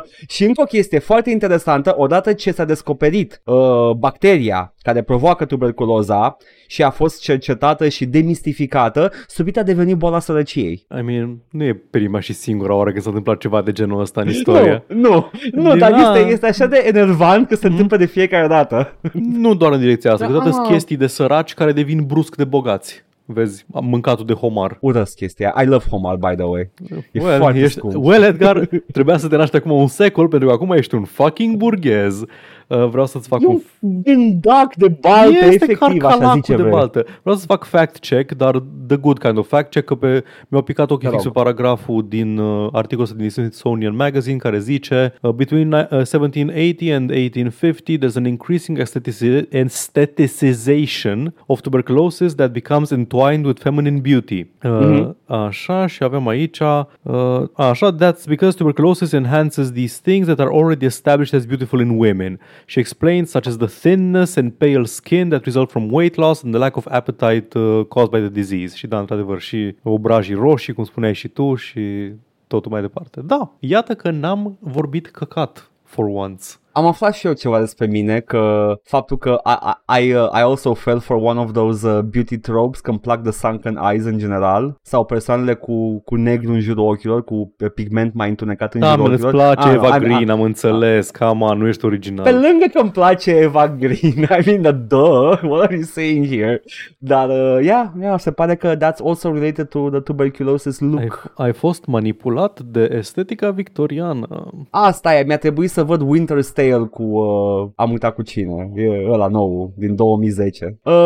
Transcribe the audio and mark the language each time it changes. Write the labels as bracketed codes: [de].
[ro] Și încă o chestie foarte interesantă, odată ce s-a descoperit bacteria care provoacă tuberculoza și a fost cercetată și demistificată, subit a devenit boala sărăciei. [en] I mean, [ro] nu e prima și singura oară când s-a întâmplat ceva de genul ăsta în istorie. Nu, dar este așa de enervant că se întâmplă de fiecare dată. Nu doar în direcția asta, că toate sunt chestii de săraci care devin brusc de bogați. Vezi, am mâncat-o de homar. Urăsc chestia. [en] I love homar, by the way. Well, [ro] Edgar, trebuia să te naști acum un secol, pentru că acum ești un fucking burghez. Vreau să-ți fac un gândac de baltă, este efectiv, așa zice, de baltă. Vreau să-ți fac fact check, dar [en] the good kind of fact check, [ro] că mi-a picat ochii fix pe paragraful din articolul din Smithsonian Magazine, care zice [en] between 1780 and 1850 there's an increasing aestheticization of tuberculosis that becomes entwined with feminine beauty. [ro] Așa, și avem aici așa, [en] that's because tuberculosis enhances these things that are already established as beautiful in women. She explains such as the thinness and pale skin that result from weight loss and the lack of appetite caused by the disease. [ro] Și da, într-adevăr, și obrajii roșii, cum spuneai și tu, și totul mai departe. Da, iată că n-am vorbit căcat [en] for once. [ro] Am aflat și eu ceva despre mine, că faptul că [en] I also fell for one of those beauty tropes, [ro] că îmi plac [en] the sunken eyes [ro] în general, sau persoanele cu negru în jurul ochilor, cu pigment mai întunecat în jurul ochilor. Da, îți place Eva Green, am înțeles, cam, nu ești original. Pe lângă că îmi place Eva Green, [en] I mean, what are you saying here? [ro] Dar, se pare că [en] that's also related to the tuberculosis look. [ro] Ai fost manipulat de estetica victoriană. Asta e, mi-a trebuit să văd Winter's Tale cu am uitat cu cine, e ăla nou din 2010.